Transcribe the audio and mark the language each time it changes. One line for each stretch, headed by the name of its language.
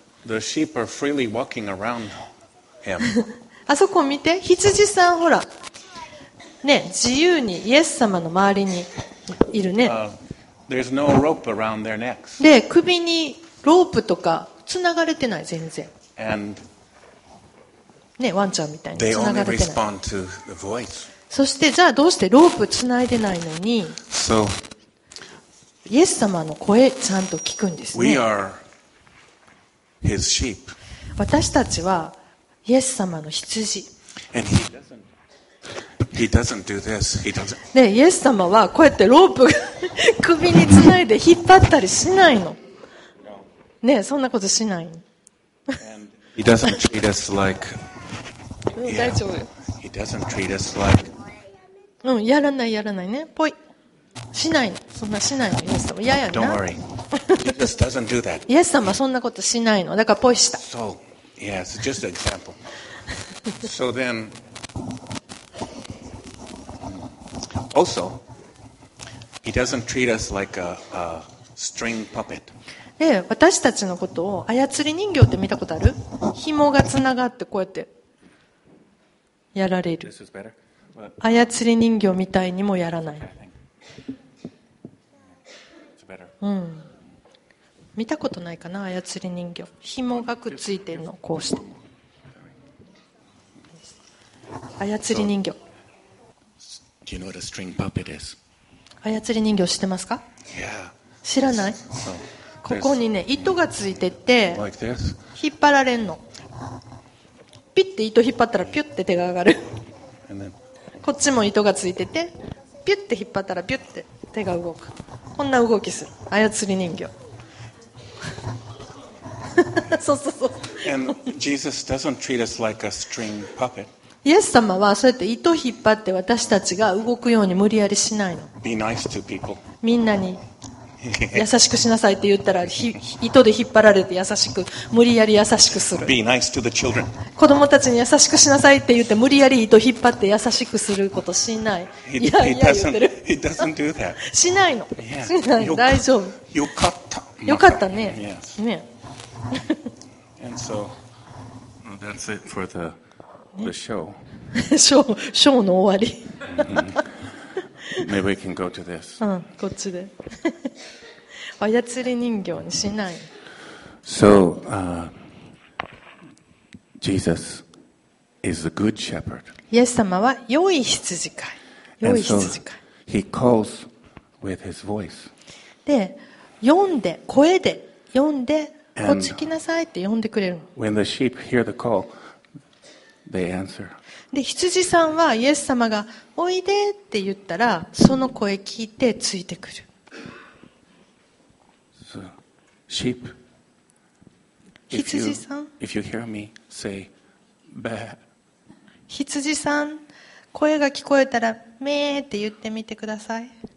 English: The sheep are freely walking around him.
Japanese: あそこ見て、羊さんほら、ね、自由にイエス様の周りにいるね。
English: There's no rope around their necks.
Japanese: で、首にロープとかつながれてない全然。
English: And
Japanese: ね、ワンちゃんみたいにつながれてない。
English: They only respond to the voice.
Japanese: そしてじゃあどうしてロープつないでないのに、
English: so,
Japanese: イエス様の声ちゃんと聞くんですね。
English: We are His sheep.
Japanese: 私たちはイエス様の羊。
English: And he doesn't do this. He doesn't.
Japanese: ね、イエス様はこうやってロープ首につないで引っ張ったりしないの。ね、そんなことしない。
English: He doesn't treat us like.
Japanese: 大丈夫。
English: He doesn't treat us like.
Japanese: うん、やらないやらないね。ぽい。しない、そんなしないの、イエス様。いやいやな。
English: Don't worry. Jesus doesn't do that.
Japanese: イエス様はそんなことしないの。だからポイした。
English: So, yes, just an example. So then, also, he doesn't treat us like a string puppet.
Japanese: で、私たちのことを操り人形って見たことある？紐がつながってこうやってやられる。
English: This is better.
Japanese: 操り人形みたいにもやらない。うん、見たことないかな、操り人形。紐がくっついてるの、こうして。操り人形。
English: So, do you know what a string puppet is?
Japanese: 操り人形知ってますか？
English: Yeah.
Japanese: 知らない？
English: So,
Japanese: ここにね、糸がついてて、
English: like this.
Japanese: 引っ張られんの。ピッて糸引っ張ったら、ピュッて手が上がる。
English: And then...
Japanese: こっちも糸がついてて、ピュッて引っ張ったら、ピュッて手が動く。こんな動きする操り人形。そうそうそう。
English: And Jesus doesn't treat us like a string puppet.
Japanese: イエス様はそうやって糸引っ張って私たちが動くように無理やりしないの。
English: Be nice to people.
Japanese: みんなに優しくしなさいって言ったら糸で引っ張られて優しく無理やり優しくする。
English: Be nice to the children.
Japanese: 子供たちに優しくしなさいって言って無理やり糸引っ張って優しくすることしない。いやいや言ってる。
English: He doesn't do that.
Japanese: しないの。
English: Yeah.
Japanese: しない。大丈夫。よかった。よかったね。
English: Yes.
Japanese: ね。
English: And so that's it for the show.
Japanese: ショーの終わり。
English: Maybe we can go to this.
Japanese: うん、こっちで。操り人形にしない。
English: So, Jesus is a good shepherd.
Japanese: イエス様は良い羊飼い。良い羊飼い。
English: He calls with his voice.
Japanese: で、呼んで、声で、呼んで、こっち来なさいって呼んでくれる。
English: When the sheep hear the call, they answer.
Japanese: で、羊さんはイエス様がおいでって言ったらその声聞いてついてくる。
English: So, sheep,
Japanese: 羊さん
English: if you hear me say, bah.
Japanese: 羊さん声が聞こえたらめーって言ってみてください。